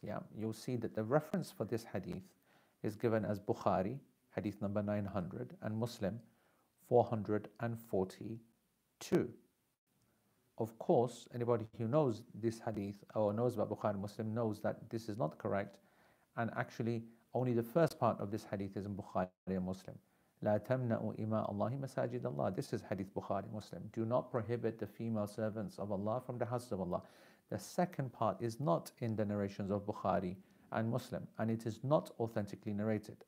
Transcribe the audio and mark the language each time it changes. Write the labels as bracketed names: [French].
[English] Yeah, you'll see that the reference for this hadith is given as Bukhari, hadith number 900, and Muslim, 442. Of course, anybody who knows this hadith or knows about Bukhari Muslim knows that this is not correct. And actually, only the first part of this hadith is in Bukhari and Muslim. [Arabic] لا تمنعوا إماء الله مساجد الله. [English] This is hadith Bukhari Muslim. Do not prohibit the female servants of Allah from the houses of Allah. The second part is not in the narrations of Bukhari and Muslim, and it is not authentically narrated.